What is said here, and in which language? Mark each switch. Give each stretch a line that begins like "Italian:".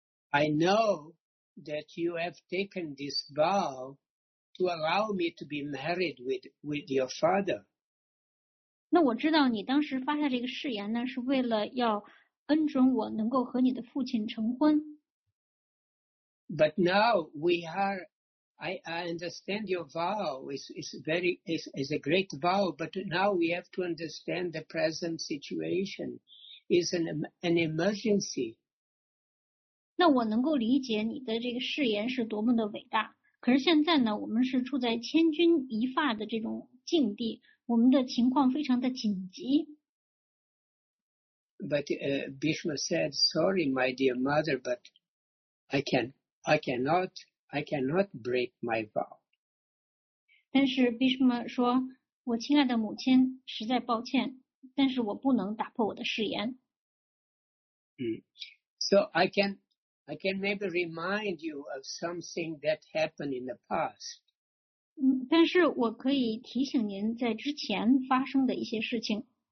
English: I know that you have taken this vow to allow me to be married with your father。
Chinese: 那我知道你当时发下这个誓言呢是为了要恩准我能够和你的父亲成婚。
English: But now we are, I understand your vow is a great vow, but now we have to understand the present situation is an emergency。
Chinese: 那我能够理解你的这个誓言是多么的伟大，可是现在呢我们是处在千钧一发的这种境地，我们的情况非常的紧急。
English: But Bhishma said, "Sorry, my dear mother, but I cannot break my vow."
Chinese: 但是 Bhishma 说，我亲爱的母亲，实在抱歉，但是我不能打破我的誓言。
English: So I can maybe remind you of something that happened in the past.
Chinese: 但是我可以提醒您在之前发生的一些事情。